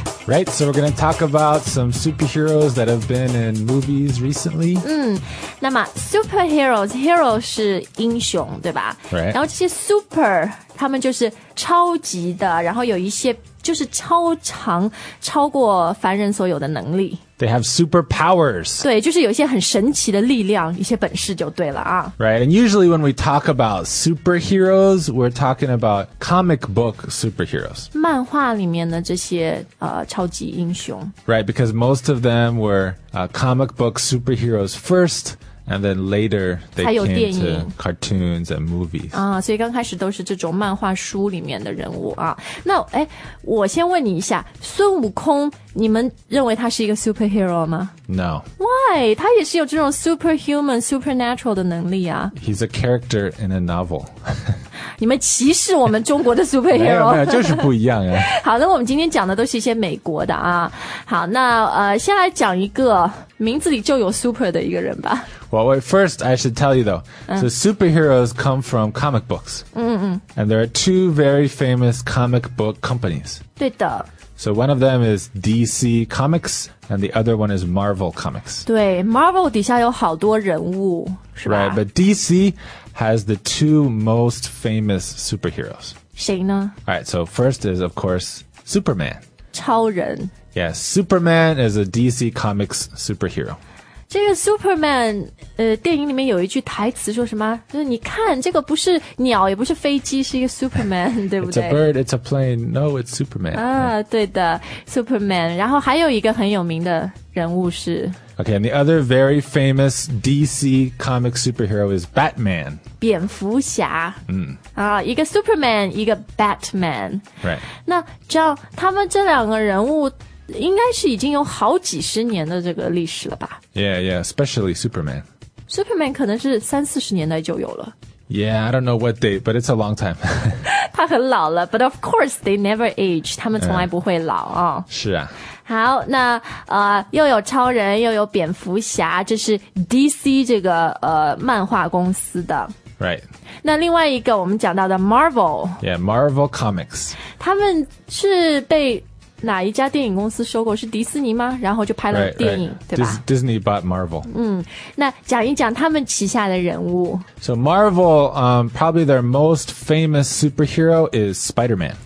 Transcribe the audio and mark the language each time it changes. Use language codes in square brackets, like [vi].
[en] Right, so we're going to talk about some superheroes that have been in movies recently. [zh] 那么 superheroes, hero 是英雄对吧 [en] Right. [zh] 然后这些 super, 他们就是超级的然后有一些就是超常超过凡人所有的能力 [en] They have superpowers. [zh] 对就是有一些很神奇的力量一些本事就对了啊 [en] Right, and usually when we talk about superheroes, we're talking about comic book superheroes. [zh] 漫画里面的这些、超级英雄 [en] Right, because most of them were、comic book superheroes first,And then later, they came to cartoons and movies. [zh] 啊，所以刚开始都是这种漫画书里面的人物啊。那，哎，我先问你一下，孙悟空，你们认为他是一个 superhero 吗 [en] ？No. [zh] Why? 他也是有这种 superhuman, supernatural 的能力啊。 [en] He's a character in a novel. [zh] 你们歧视我们中国的 superhero? 没有，没有，就是不一样啊。好，那我们今天讲的都是一些美国的啊。好，那先来讲一个名字里就有 super 的一个人吧。 [en] Well, wait, first, I should tell you, though.、So superheroes come from comic books. And there are two very famous comic book companies. [zh] 对的。 [en] So one of them is DC Comics, and the other one is Marvel Comics. [zh] 对 ,Marvel 底下有好多人物是吧 [en] Right, but DC has the two most famous superheroes. [zh] 谁呢 [en] Alright, so first is, of course, Superman. [zh] 超人。 [en] Yes, Superman is a DC Comics superhero. [zh] 这个 Superman 电影里面有一句台词说什么就是你看这个不是鸟也不是飞机是一个 Superman 对不对 [en] It's a bird, it's a plane, no, it's Superman [zh] 啊，对的 Superman 然后还有一个很有名的人物是 [en] Okay, and the other very famous DC comic superhero is Batman [zh] 蝙蝠侠、一个 Superman 一个 Batman、 [en] right. [zh] 那这样他们这两个人物应该是已经有好几十年的这个历史了吧 [en] Yeah, yeah, especially Superman. [zh] Superman 可能是三四十年代就有了 [en] Yeah, I don't know what date, but it's a long time. [zh] 他很老了 [en] but of course they never age. [zh] 他们从来不会老啊、是啊。好那又有超人又有蝙蝠侠这是 DC 这个漫画公司的。 [en] Right. [zh] 那另外一个我们讲到的 Marvel. [en] Yeah, Marvel Comics. [zh] 他们是被哪一家电影公司收购是迪士尼吗然后就拍了电影 [en] right, right. [zh] 对吧 [en] Disney bought Marvel [zh] 那讲一讲他们旗下的人物 [en] So Marvel、probably their most famous superhero is Spider-Man